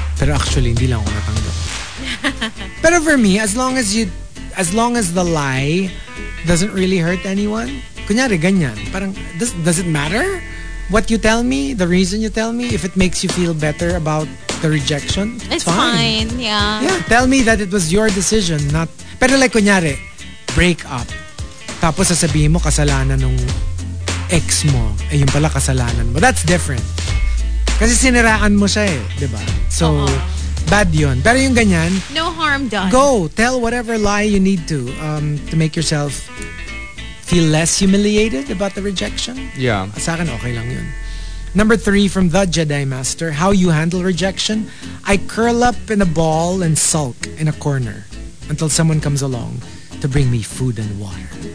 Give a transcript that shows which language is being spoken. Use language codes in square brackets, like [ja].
[en] Pero actually, hindi lang ako natanggap. Pero for me, as long as the lie doesn't really hurt anyone, kunyari, ganyan. Parang, does it matter what you tell me, the reason you tell me, if it makes you feel better about the rejection? It's fine. Yeah. Tell me that it was your decision, not... [tl] Pero like, kunyari, break up. Tapos sasabihin mo, kasalanan ng ex mo. Eh, yung pala kasalanan mo. That's different. Kasi siniraan mo siya eh, di ba? So, bad yun. Pero yung ganyan... [en] No harm done. Go, tell whatever lie you need to make yourself feel less humiliated about the rejection. Yeah. [tl] Sa akin, okay lang yun. [en] Number 3 from The Jedi Master, how you handle rejection? I curl up in a ball and sulk in a corner until someone comes along to bring me food and water.